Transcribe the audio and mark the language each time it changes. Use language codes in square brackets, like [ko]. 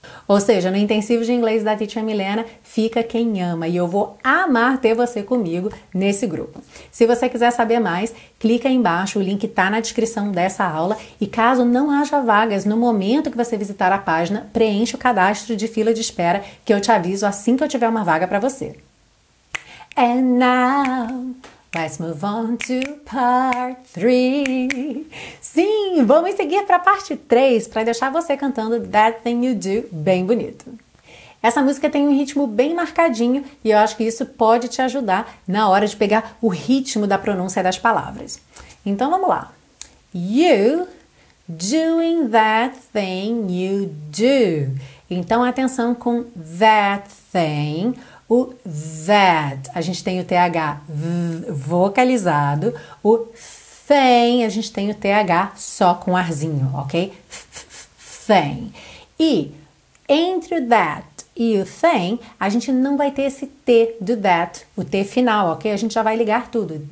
[pt] Ou seja, no intensivo de inglês da Teacher Milena, fica quem ama e eu vou amar ter você comigo nesse grupo. Se você quiser saber mais, clica aí embaixo, o link está na descrição dessa aula. E caso não haja vagas no momento que você visitar a página, preencha o cadastro de fila de espera que eu te aviso assim que eu tiver uma vaga para você. [en] And now, let's move on to part 3. [pt] Sim, vamos seguir para a parte 3 para deixar você cantando That Thing You Do bem bonito. Essa música tem um ritmo bem marcadinho e eu acho que isso pode te ajudar na hora de pegar o ritmo da pronúncia das palavras. Então vamos lá. [en] You doing that thing you do. [pt] Então atenção com that thing. O that, a gente tem o TH vocalizado. O thing, a gente tem o TH só com arzinho, ok? Thing. E entre o that e o thing, a gente não vai ter esse T do that, o T final, ok? A gente já vai ligar tudo.